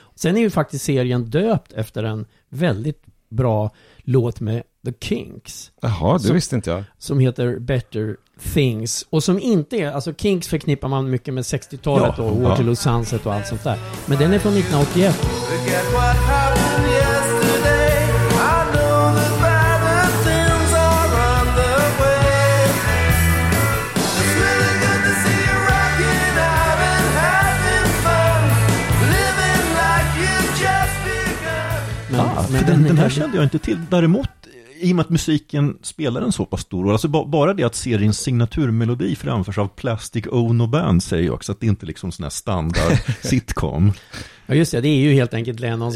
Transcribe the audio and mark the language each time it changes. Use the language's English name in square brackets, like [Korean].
[Swedish] Sen är ju faktiskt serien döpt efter en väldigt bra låt med The Kinks. Jaha, det visste inte jag. Som heter Better Things. Och som inte är, alltså Kinks förknippar man mycket med 60-talet, ja, och Waterloo, ja, Sunset och allt sånt där. Men den är från 1981. [English] Forget what happened yesterday. I know the better things are on the way. It's really good to see you rocking out and having fun. Living like you've just begun. [Swedish] Men, ja, men den här kände jag inte till. Däremot, i och med att musiken spelar en så pass stor roll, alltså bara det att seriens signaturmelodi framförs av Plastic Ono Band säger ju också att det inte är liksom sån här standard sitcom. Ja just det, det är ju helt enkelt Lennons,